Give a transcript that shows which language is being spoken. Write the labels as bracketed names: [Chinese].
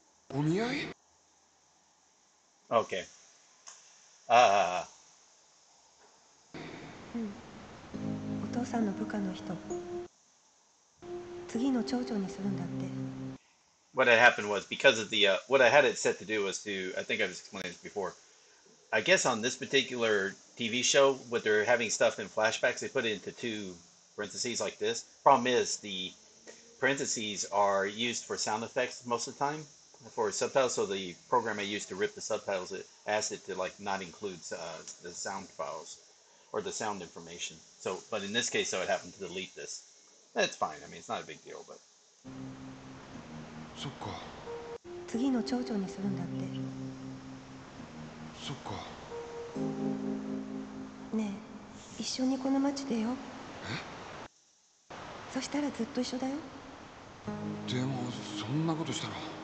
[Japanese] お見合い？ [English] Okay. [Japanese] うん、お父さんの部下の人、次の町長にするんだって。 [English] What had happened was because of the what I had it set to do was to, I think I was explaining this before. I guess on this particular TV show, what they're having stuff in flashbacks, they put it into two parentheses like this. Problem is, the parentheses are used for sound effects most of the time for subtitles. So the program I used to rip the subtitles, it asked it to like not include the sound files or the sound information. So, but in this case, so it happened to delete this. That's fine. I mean, it's not a big deal, but. [Japanese] そっか。次の町長にするんだって。そっか。ねえ、一緒にこの町でよ。え？そしたらずっと一緒だよ。でも、そんなことしたら。